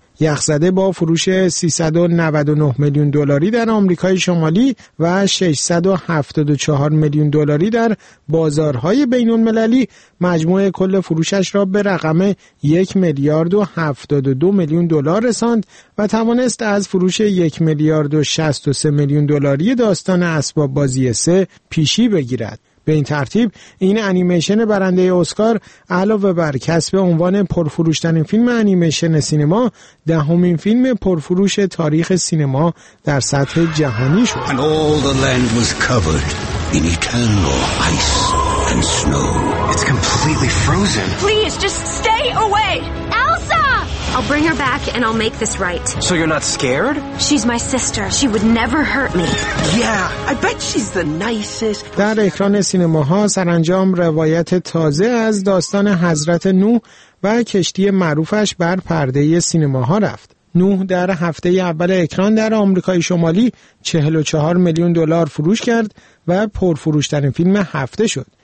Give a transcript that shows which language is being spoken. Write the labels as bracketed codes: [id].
[fa] یخ‌زده با فروش 399 میلیون دلاری در آمریکای شمالی و 674 میلیون دلاری در بازارهای بین‌المللی، مجموع کل فروشش را به رقم 1 میلیارد و 72 میلیون دلار رساند و توانست از فروش 1 میلیارد و 63 میلیون دلاری داستان اسباب بازی 3 پیشی بگیرد. به این ترتیب این انیمیشن برنده اسکار علاوه بر کسب عنوان پرفروش‌ترین فیلم انیمیشن سینما، دهمین فیلم پرفروش تاریخ سینما در سطح جهانی شد. [en] And all the land was covered in eternal ice and snow. It's completely frozen. Please just stay away. Elsa! I'll bring her back and I'll make this right. So you're not scared? She's my sister. She would never hurt me. Yeah, I bet she's the nicest. [fa] در اکران سینماها سرانجام روایت تازه از داستان حضرت نوح و کشتی معروفش بر پرده سینماها رفت. نوح در هفته اول اکران در آمریکای شمالی 44 میلیون دلار فروش کرد و پرفروش‌ترین فیلم هفته شد.